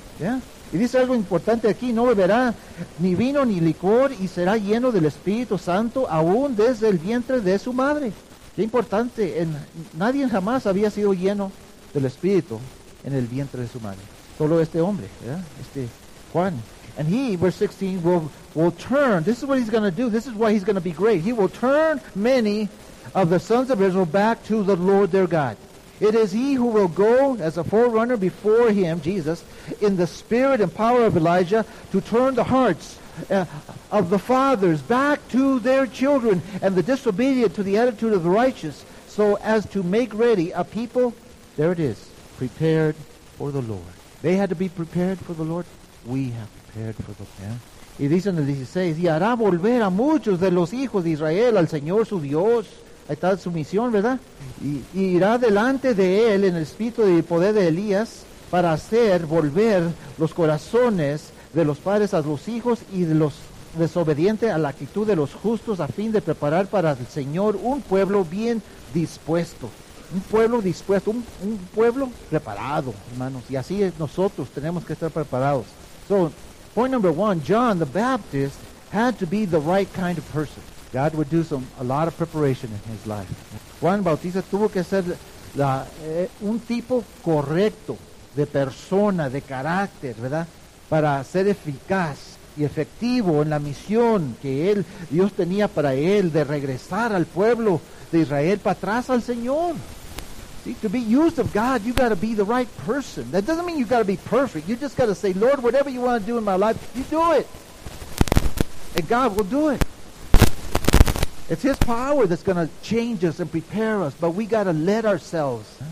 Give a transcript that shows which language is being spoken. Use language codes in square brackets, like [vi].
[es] Yeah? Y dice algo importante aquí, no beberá ni vino ni licor y será lleno del Espíritu Santo aún desde el vientre de su madre. Qué importante, nadie jamás había sido lleno del Espíritu en el vientre de su madre. Solo este hombre, ¿verdad? Este Juan. [en] And he, verse 16, will turn. This is what he's going to do. This is why he's going to be great. He will turn many of the sons of Israel back to the Lord their God. It is he who will go as a forerunner before him, Jesus, in the spirit and power of Elijah to turn the hearts of the fathers back to their children and the disobedient to the attitude of the righteous so as to make ready a people, there it is, prepared for the Lord. They had to be prepared for the Lord. We have prepared for the Lord. Yeah. [es] Y dice en el 16, y hará volver a muchos de los hijos de Israel al Señor su Dios. Ahí está su misión, ¿verdad? Y irá delante de él en el espíritu y el poder de Elías para hacer volver los corazones de los padres a los hijos y de los desobedientes a la actitud de los justos a fin de preparar para el Señor un pueblo bien dispuesto. Un pueblo dispuesto, un pueblo preparado, hermanos. Y así es, nosotros tenemos que estar preparados. [en] So, point number one, John the Baptist had to be the right kind of person. God would do a lot of preparation in his life. [es] Juan Bautista tuvo que ser un tipo correcto de persona, de carácter, ¿verdad? Para ser eficaz y efectivo en la misión que él, Dios tenía para él de regresar al pueblo de Israel para atrás al Señor. [en] See, to be used of God, you got to be the right person. That doesn't mean you got to be perfect. You just got to say, Lord, whatever you want to do in my life, you do it. And God will do it. It's his power that's going to change us and prepare us, but we got to let ourselves.